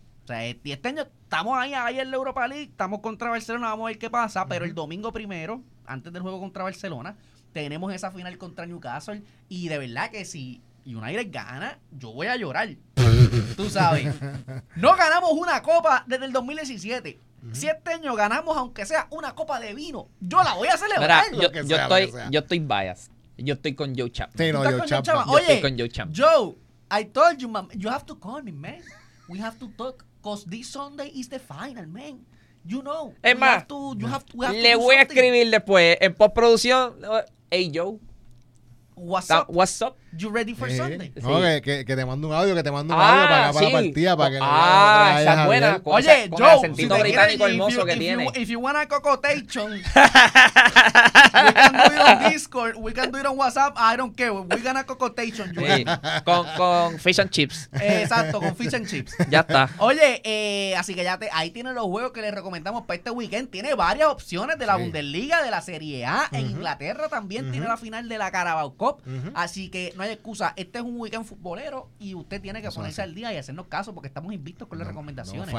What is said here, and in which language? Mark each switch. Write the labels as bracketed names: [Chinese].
[Spanish] O sea, este año estamos ahí en la Europa League, estamos contra Barcelona, vamos a ver qué pasa, pero el domingo primero, antes del juego contra Barcelona, tenemos esa final contra Newcastle, y de verdad que si United gana, yo voy a llorar, tú sabes. No ganamos una copa desde el 2017, si este año ganamos aunque sea una copa de vino, yo la voy a celebrar. Mira, yo estoy biased, yo estoy con Joe Chapman. Sí, no, Joe Chapman. Yo estoy con Joe Chapman. [English] Joe, I told you, man, you have to call me, man. We have to talk, because this Sunday is the final, man. You know. [Spanish] Es más, le voy a escribir después, en postproducción. [English] Hey, Joe. What's up? What's up? You ready for Sunday? [Spanish] No, sí. que te mando un audio, que te mando un audio para acá, para la partida, para que no traigas. Ah, está buena. Oye, con Joe, el acentito si británico quieres, hermoso que tiene. [English] If you want a cocotation, we can do it on Discord, we can do it on WhatsApp, I don't care, we can a cocotation. [Spanish] Sí, con fish and chips. Exacto, con fish and chips. Ya está. Oye, así que ahí tienen los juegos que les recomendamos para este weekend. Tiene varias opciones de la Bundesliga, de la Serie A. Uh-huh. En Inglaterra también tiene la final de la Carabao Cup. Uh-huh. Así que no hay excusa, este es un weekend futbolero y usted tiene que ponerse al día y hacernos caso porque estamos invictos con las recomendaciones.